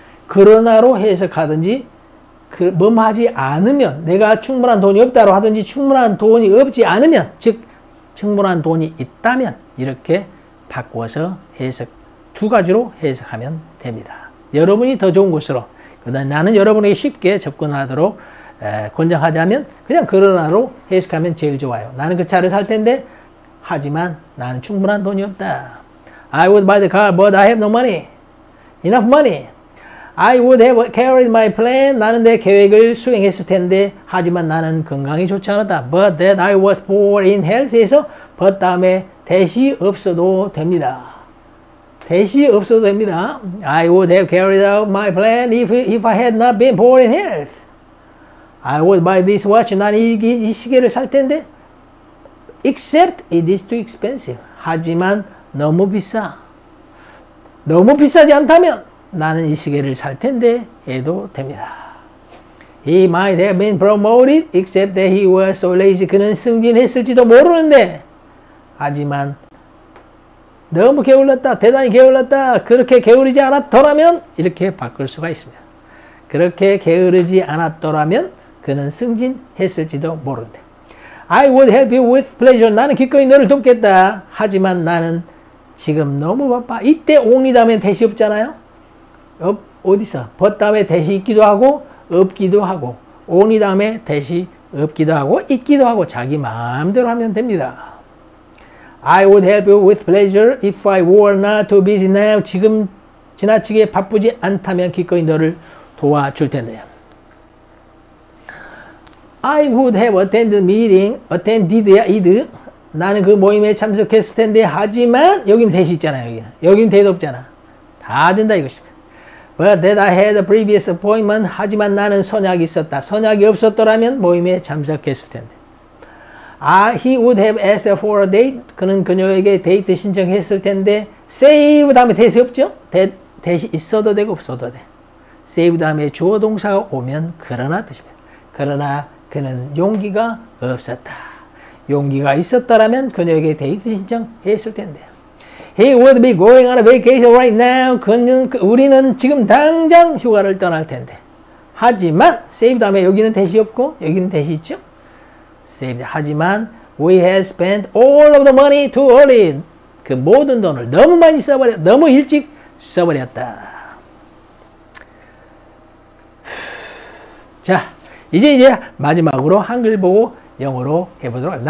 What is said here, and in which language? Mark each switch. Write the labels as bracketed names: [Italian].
[Korean] 그러나로 해석하든지 그 뭐하지 않으면 내가 충분한 돈이 없다로 하든지 충분한 돈이 없지 않으면 즉 충분한 돈이 있다면 이렇게 바꿔서 해석 두 가지로 해석하면 됩니다. 여러분이 더 좋은 것으로 그다음 나는 여러분에게 쉽게 접근하도록 권장하자면 그냥 그러나로 해석하면 제일 좋아요. 나는 그 차를 살 텐데 하지만 나는 충분한 돈이 없다. [English] I would buy the car but I have no money. Enough money. I would have carried my plan. [Korean] 나는 내 계획을 수행했을 텐데 하지만 나는 건강이 좋지 않았다. [English] But that I was poor in health. [Korean] 해서 but 다음에 대시 없어도 됩니다. 대시 없어도 됩니다. [English] I would have carried out my plan if I had not been poor in health. I would buy this watch. [Korean] 나는 이 시계를 살 텐데 [English] except it is too expensive. [Korean] 하지만 너무 비싸. 너무 비싸지 않다면 나는 이 시계를 살 텐데 해도 됩니다. [English] He might have been promoted except that he was so lazy. [Korean] 그는 승진했을지도 모르는데 하지만 너무 게을렀다. 대단히 게을렀다. 그렇게 게으르지 않았더라면 이렇게 바꿀 수가 있습니다. 그렇게 게으르지 않았더라면 그는 승진했을지도 모르는데 [English] I would help you with pleasure. [Korean] 나는 기꺼이 너를 돕겠다. 하지만 나는 지금 너무 바빠. 이때 옵니다면 대시 없잖아요. 어디서? 벗 다음에 대시 있기도 하고 없기도 하고 온이 다음에 대시 없기도 하고 있기도 하고 자기 마음대로 하면 됩니다. [English] I would help you with pleasure if I were not too busy now. [Korean] 지금 지나치게 바쁘지 않다면 기꺼이 너를 도와줄 텐데. [English] I would have attended meeting. Attended야 id. [Korean] 나는 그 모임에 참석했을 텐데 하지만 여기는 대시 있잖아요. 여기는 대도 없잖아. 다 된다 이것입니다. [English] But that I had a previous appointment. [Korean] 하지만 나는 선약이 있었다. 선약이 없었더라면 모임에 참석했을 텐데. [English] He would have asked for a date. [Korean] 그는 그녀에게 데이트 신청했을 텐데. Save 다음에 대시 없죠? 대시 있어도 되고 없어도 돼. Save 다음에 주어 동사가 오면 그러나 뜻입니다. 그러나 그는 용기가 없었다. 용기가 있었더라면 그녀에게 데이트 신청했을 텐데. [English] He would be going on a vacation right now. [Korean] 우리는 지금 당장 휴가를 떠날 텐데. 하지만 save 다음에 여기는 대시 없고 여기는 대시 있죠? [English] Save. [Korean] 하지만 [English] we have spent all of the money too early. [Korean] 그 모든 돈을 너무 많이 써버렸다. 너무 일찍 써버렸다. 자, 이제 마지막으로 한글 보고 영어로 해보도록 합니다.